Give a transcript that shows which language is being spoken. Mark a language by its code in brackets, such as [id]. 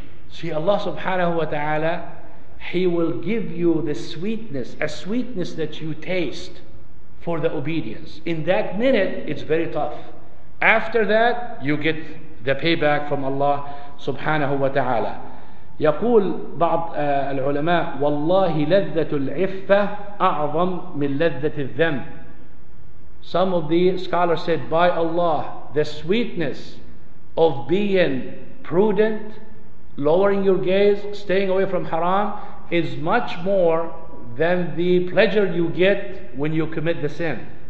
[en] See, Allah subhanahu wa ta'ala, He will give you the sweetness, a sweetness that you taste for the obedience. In that minute, it's very tough. After that, you get the payback from Allah subhanahu wa ta'ala. [ar] يقول بعض العلماء والله لذة العفة أعظم من لذة الذنب. [en] Some of the scholars said, by Allah, the sweetness of being prudent, lowering your gaze, staying away from haram, is much more than the pleasure you get when you commit the sin.